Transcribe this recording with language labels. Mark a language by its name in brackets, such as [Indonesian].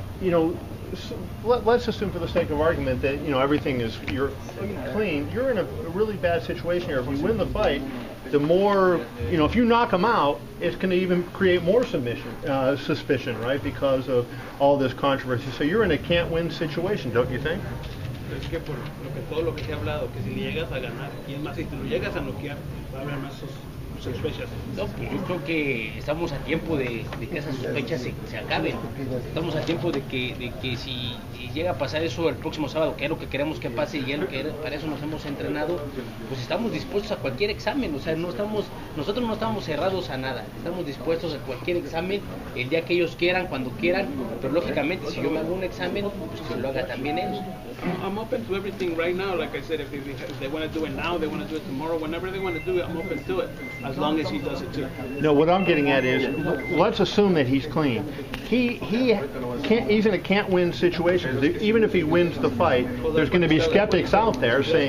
[English] You know, let's assume for the sake of argument that you know everything is clean. You're in a really bad situation here. If you win the fight, the more, you know, if you knock him out, it's going to even create more suspicion, right, because of all this controversy. So you're in a can't-win situation, don't you think? [Spanish] Es que por lo que todo lo que se ha hablado, que si llegas a ganar, y es más, si te lo llegas a noquear, va a haber más sospechas. No, pues, creo que estamos a tiempo de que esas sospechas se acaben. Estamos a tiempo de que si llega a pasar eso el próximo sábado, que es lo que queremos que pase y es lo que para eso nos hemos entrenado, pues estamos dispuestos a cualquier examen. O sea, nosotros no estamos cerrados a nada. Estamos dispuestos a cualquier examen el día que ellos quieran, cuando quieran. Pero lógicamente, si yo me hago un examen, pues que lo haga también ellos. [English] I'm open to everything right now. Like I said, if they want to do it now, they want to do it tomorrow, whenever they want to do it, I'm open to it, as long as he does it too. No, what I'm getting at is, let's assume that he's clean. He's in a can't-win situation. Even if he wins the fight, there's going to be skeptics out there saying...